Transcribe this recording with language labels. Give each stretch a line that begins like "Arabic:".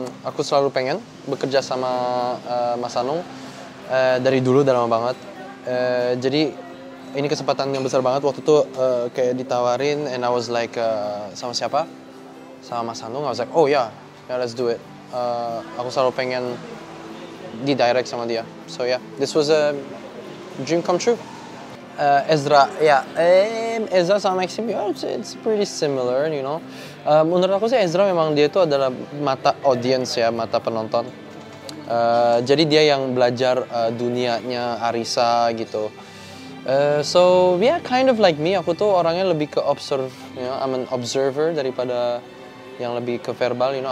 Indonesian: Aku selalu pengen bekerja sama Mas Anung dari dulu, udah lama banget. Jadi ini kesempatan yang besar banget. Waktu itu kayak ditawarin,
English: and I was like,
Indonesian: sama siapa? Sama Mas Anung.
English: I was like, oh yeah, yeah, let's do it.
Indonesian: Aku selalu pengen di-direct sama dia.
English: So yeah, this was a dream come true. Ezra, yeah. Ezra sama Maxim, yeah, it's pretty similar, you know.
Indonesian: Menurut aku sih, Ezra memang dia itu adalah mata audience ya, mata penonton. Jadi dia yang belajar dunianya Arisa gitu.
English: So yeah, kind of like me.
Indonesian: Aku tuh orangnya lebih ke observe,
English: you know. I'm an observer
Indonesian: daripada yang lebih ke verbal,
English: you know.